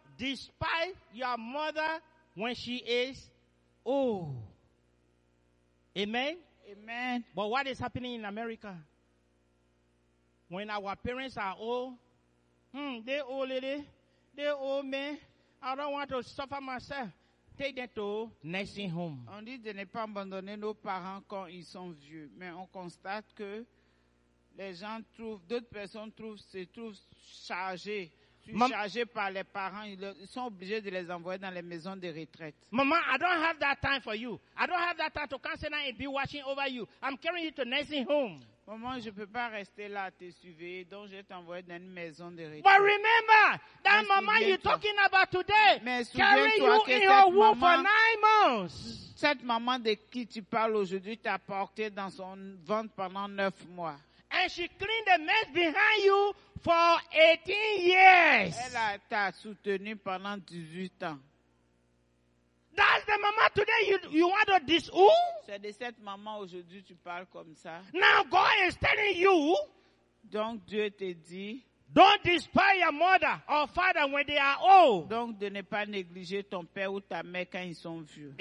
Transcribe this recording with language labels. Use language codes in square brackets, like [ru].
[en] Despise your mother when she is old. Amen? Amen. But what is happening in America? When our parents are old, they old lady, they old man, I don't want to suffer myself. Take them to nursing home. [fr] On dit de ne pas abandonner nos parents quand ils sont vieux. Mais on constate que les gens trouvent, d'autres personnes trouvent, se trouvent chargées. Chargés par les parents, ils sont obligés de les envoyer dans les maisons de retraite. [en] Maman, I don't have that time for you. I don't have that time to come sit down and be watching over you. I'm carrying you to nursing home. [fr] Maman, je ne peux pas rester là à te suivre, donc je t'envoie dans une maison de retraite. [en] But remember, that mama you're talking about today, carrying you in her womb for 9 months. [fr] Cette maman de qui tu parles aujourd'hui t'a porté dans son ventre pendant 9 mois. [en] And she cleaned the mess behind you for 18 years. [fr] Elle t'a soutenu pendant 18 ans. [en] That's the mama today you want to disown? [fr] C'est de cette maman aujourd'hui tu parles comme ça. [en] Now God is telling you. [fr] Donc Dieu te dit. [en] Don't despise your mother or father when they are old. [fr] Donc de ne pas négliger ton père ou ta mère quand ils sont vieux.